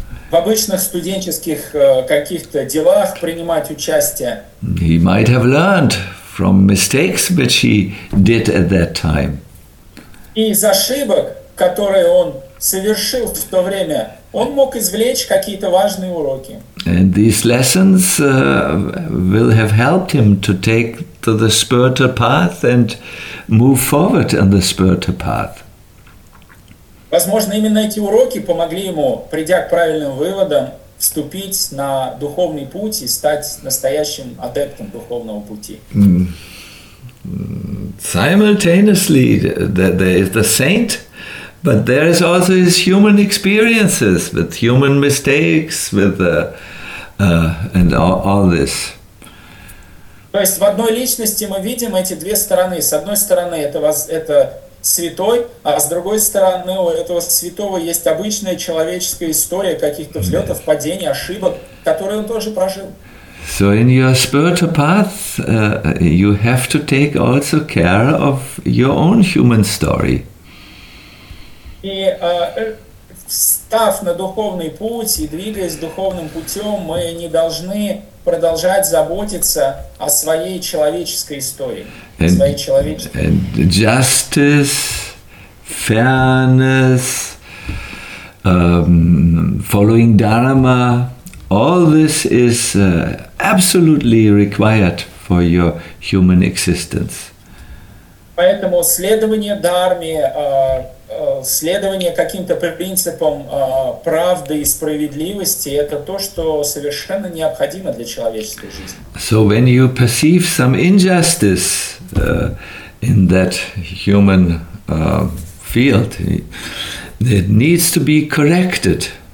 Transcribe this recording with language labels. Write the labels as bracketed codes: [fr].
[ru] в обычных студенческих каких-то делах принимать участие. [en] He might have learned from mistakes which he did at that time. [ru] И из ошибок, которые он совершил в то время, он мог извлечь какие-то важные уроки. [en] And these lessons will have helped him to take to the spiritual path and move forward on the spiritual path. [ru] Возможно, именно эти уроки помогли ему, придя к правильным выводам, вступить на духовный путь и стать настоящим адептом духовного пути. [en] Simultaneously, there is the saint, but there is also his human experiences with human mistakes, with and all this. [ru] То есть в одной личности мы видим эти две стороны. С одной стороны это святой, а с другой стороны у этого святого есть обычная человеческая история каких-то взлетов, падений, ошибок, которые он тоже прожил. [en] So in your spiritual path, you have to take also care of your own human story. [ru] И став на духовный путь и двигаясь духовным путем, мы не должны продолжать заботиться о своей человеческой истории. [en] And justice, fairness, following Dharma, all this is absolutely required for your human existence. [ru] Поэтому следование Дхарме, следование каким-то принципам правды и справедливости – это то, что совершенно необходимо для человеческой жизни. [en] So when you perceive some injustice in that human field, it needs to be corrected.